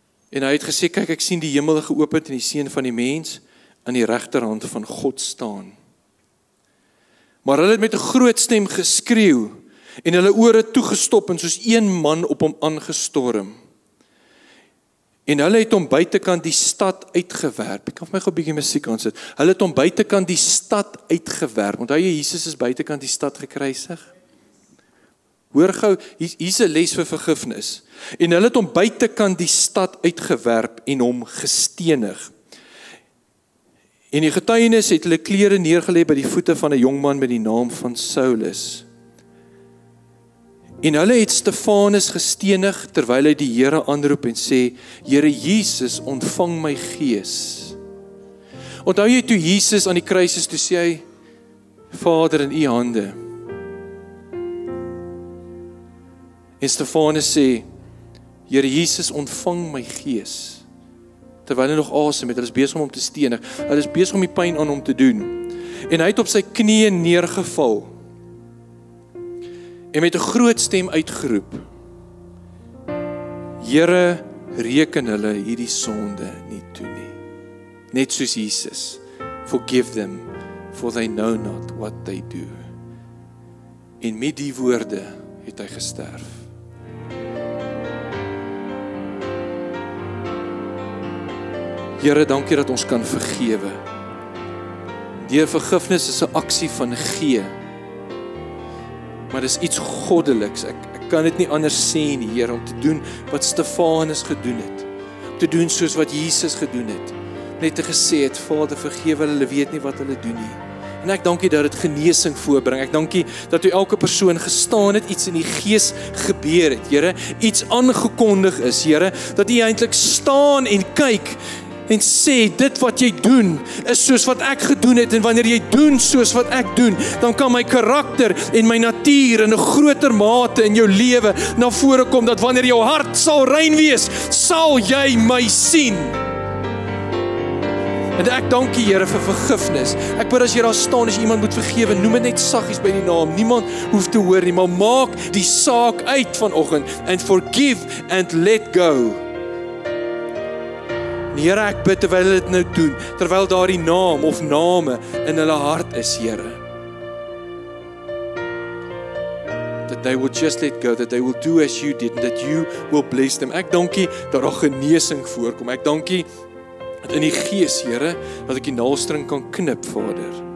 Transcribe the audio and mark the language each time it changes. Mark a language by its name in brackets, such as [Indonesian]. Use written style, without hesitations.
[Afrikaans] En hy het gesê, kyk, ek sien die hemel geopend en die seun van die mens aan die regterhand van God staan. Maar hulle het met 'n groot stem geskreeu, en hulle ore toegestop en soos een man op hom aangestorm. En hulle het om buitenkant die stad uitgewerp. Ek kan vir my gou 'n bietjie musiek aan sit. Hulle het om buitenkant die stad uitgewerp. Onthou jy Jesus is buitenkant die stad gekruisig? Hoor gou, hier is 'n les vir vergifnis. En hulle het om buitenkant die stad uitgewerp en hom gestenig. En die getuienis het hulle klere neergelê by die voete van 'n jongman met die naam van Saulus. En hulle het Stefanus gestenig terwyl hy die Here aanroep en sê, Here Jesus, ontvang my gees. Onthou jy toe Jesus aan die kruis is, toe sê hy, Vader in u hande. En Stefanus sê, Here Jesus, ontvang my gees. Terwyl hy nog asem het, hy is besig om hom te stenig, hy is besig om die pyn aan hom te doen. En hy het op sy knieën neergeval, en met 'n groot stem uitgeroep, Here, reken hulle hierdie sonde nie toe nie. Net soos Jesus, [English] forgive them, for they know not what they do. [Afrikaans] En met die woorde het hy gesterf. Here, dankie dat ons kan vergewe. Deur vergifnis is 'n aksie van gee. Maar dis iets goddeliks. Ek kan dit nie anders sê nie, Here, om te doen wat Stefanus gedoen het. Om te doen soos wat Jesus gedoen het. Net te gesê het, Vader, vergewe hulle, hulle weet nie wat hulle doen nie. En ek dankie dat dit genesing voorbring. Ek dankie dat u elke persoon gestaan het, iets in die gees gebeur het, Here. Iets aangekondig is, Here, dat u eintlik staan en kyk en sê, dit wat jy doen, is soos wat ek gedoen het, en wanneer jy doen soos wat ek doen, dan kan my karakter en my natuur in 'n groter mate in jou lewe na vore kom, dat wanneer jou hart sal rein wees, sal jy my sien. En ek dank die Here vir vergifnis. Ek bid as jy daar staan, as jy iemand moet vergewe, noem het net saggies by die naam, niemand hoef te hoor nie, maar maak die saak uit vanoggend, [English] and forgive and let go. [Afrikaans] Here, ek bid terwyl hulle dit nou doen, terwyl daar die naam of name in hulle hart is, Here. [English] That they will just let go, that they will do as you did, and that you will bless them. [Afrikaans] Ek dankie dat daar genesing voorkom. Ek dankie dat in die gees, Here, dat ek die naalstring kan knip, Vader.